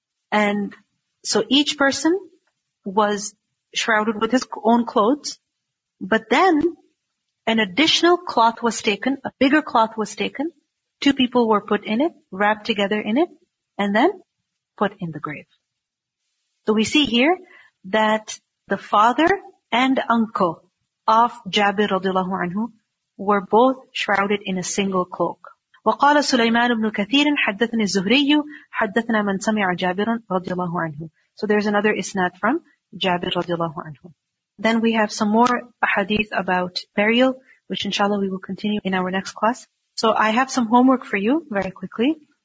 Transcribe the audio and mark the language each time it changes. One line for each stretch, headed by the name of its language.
English: And so each person was shrouded with his own clothes, but then an additional cloth was taken, a bigger cloth was taken, two people were put in it, wrapped together in it, and then put in the grave. So we see here that the father and uncle of Jabir radiallahu anhu were both shrouded in a single cloak.
Arabic: وقال سليمان بن كثير حدثني الزهري حدثنا من سمع جابر رضي الله عنه.
English: So there's another isnad from Jabir
Arabic: رضي الله عنه.
English: Then we have some more hadith about burial, which inshallah we will continue in our next class. So I have some homework for you very quickly.